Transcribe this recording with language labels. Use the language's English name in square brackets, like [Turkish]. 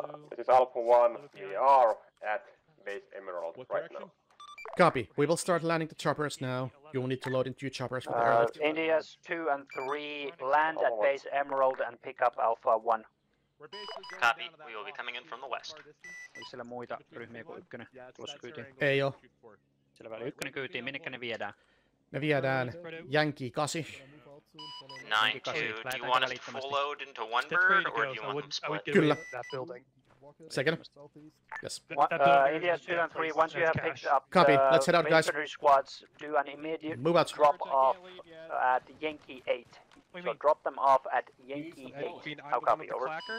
[English] This is Alpha 1, we are at base Emerald right now. Copy, we will start landing the choppers now. You will need to load in 2 choppers for the airlift. India's 2 and 3, land at base Emerald and pick up Alpha 1. Copy. We will be coming in from the west. [Finnish] Ei siellä muita ryhmiä kuin ykkönen tulossa kyytiin. Ei oo. Siellä välillä ykkönen kyytiin. Minnekä ne viedään? Me viedään Yankee 8. [English] 9-2. Do you want us to full load into one bird or do you want them split? [Finnish] Kyllä. [English] Second. Yes. India 2 and 3, once you have picked up copy. The let's head out, guys. Infantry squads, do an immediate move out. Drop off at Yankee 8. So drop them off at Yankee 8. How copy, over.